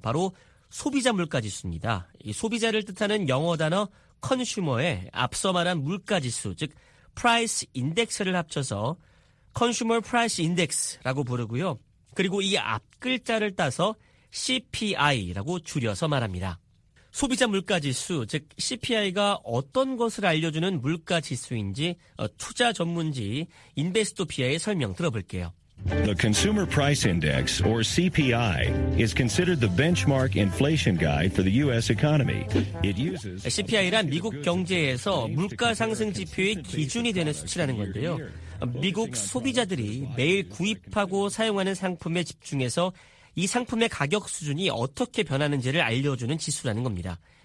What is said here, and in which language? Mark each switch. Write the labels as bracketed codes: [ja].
[ko] 바로 소비자 물가 지수입니다. 이 소비자를 뜻하는 영어 단어 consumer에 앞서 말한 물가 지수, 즉 price index를 합쳐서 consumer price index라고 부르고요. 그리고 이 앞글자를 따서 CPI라고 줄여서 말합니다. 소비자 물가 지수, 즉 CPI가 어떤 것을 알려주는 물가 지수인지 투자 전문지 인베스토피아의 설명 들어볼게요. [en] The Consumer Price Index, or CPI, is considered the benchmark inflation guide for the U.S. economy. It uses [ko] CPI란 미국 경제에서 물가 상승 지표의 기준이 되는 수치라는 건데요. 미국 소비자들이 매일 구입하고 사용하는 상품에 집중해서 이 상품의 가격 수준이 어떻게 변하는지를 알려주는 지수라는 겁니다.